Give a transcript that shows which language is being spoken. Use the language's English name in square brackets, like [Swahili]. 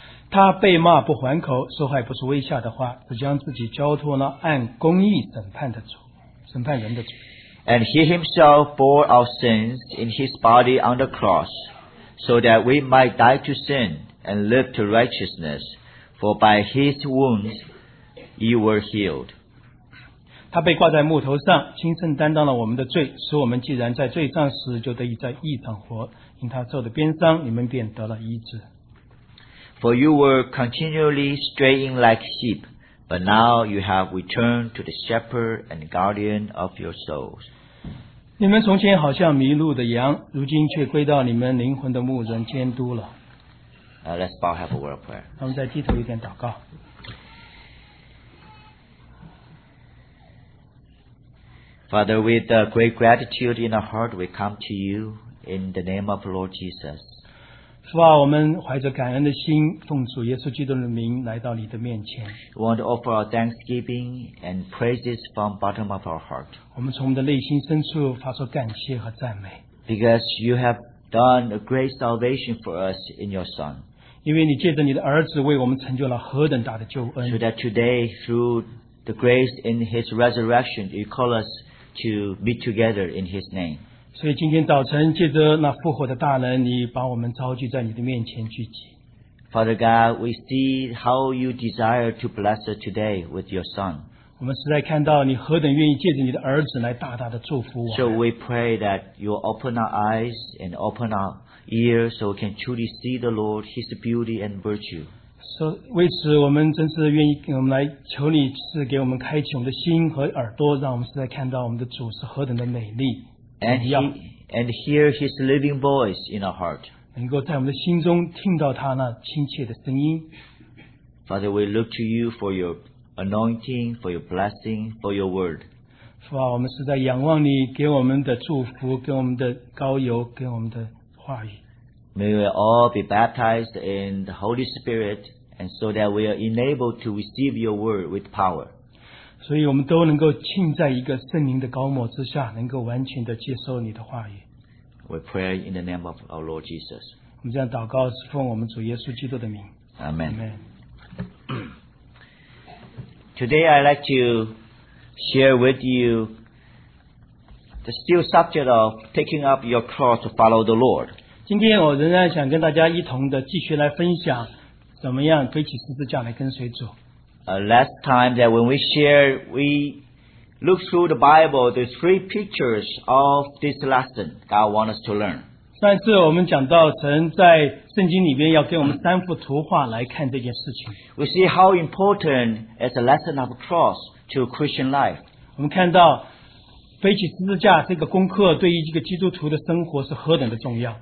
[Chinese] 他被骂不还口，说话也不是威吓的话，只将自己交托了按公义审判的主，审判人的主。 [English] And he himself bore our sins in his body on the cross, so that we might die to sin and live to righteousness. For by his wounds. You were healed. [Chinese] 他被挂在木头上，亲身担当了我们的罪，使我们既然在罪上死，就得以在义上活。因他受的鞭伤，你们便得了医治。 [English] For you were continually straying like sheep, but now you have returned to the shepherd and guardian of your souls. [Chinese] 你们从前好像迷路的羊，如今却归到你们灵魂的牧人监督了。 [English] Let's bow, have a word of prayer. [Chinese] 我们再低头一点祷告。 [English] Father, with great gratitude in our heart, we come to you in the name of Lord Jesus. [Chinese] 父啊，我们怀着感恩的心，奉主耶稣基督的名来到你的面前。 [English] We want to offer our thanksgiving and praises from the bottom of our heart. [Chinese] 我们从我们的内心深处发出感谢和赞美。 [English] Because you have done a great salvation for us in your Son. [Chinese] 因为你借着你的儿子为我们成就了何等大的救恩。 [English] So that today, through the grace in his resurrection, you call us. To be together in His name. [Chinese] 所以今天早晨借着那复活的大能，你把我们召聚在你的面前聚集。 [English] Father God, we see how you desire to bless us today with your Son. [Chinese] 我们实在看到你何等愿意借着你的儿子来大大的祝福我。 [English] So we pray that you open our eyes and open our ears so we can truly see the Lord, His beauty and virtue. [Chinese] So, 为此我们真是愿意我们来求你是给我们开启我们的心和耳朵让我们实在看到我们的主是何等的美丽 [English] and hear his living voice in our heart [Chinese] 能够在我们的心中听到他那亲切的声音 [English] Father we look to you for your anointing for your blessing for your word [Chinese] 父啊我们是在仰望你给我们的祝福给我们的膏油给我们的话语 [English] May we all be baptized in the Holy Spirit, and so that we are enabled to receive your word with power. [Chinese] 所以我们都能够浸在一个圣灵的膏抹之下，能够完全的接受你的话语。 [English] We pray in the name of our Lord Jesus. [Chinese] 我们这样祷告是奉我们主耶稣基督的名。 [English] Amen. Amen. Today I'd like to share with you the still subject of taking up your cross to follow the Lord. [Chinese] 今天我仍然想跟大家一同的继续来分享怎么样背起十字架来跟随主。 [English] Last time that when we shared, we looked through the Bible, the three pictures of this lesson God wants us to learn. [Chinese] 上次我们讲到神在圣经里面要给我们三幅图画来看这件事情。 [English] We see how important is the lesson of cross to Christian life. [Chinese] 我们看到背起十字架这个功课对于一个基督徒的生活是何等的重要。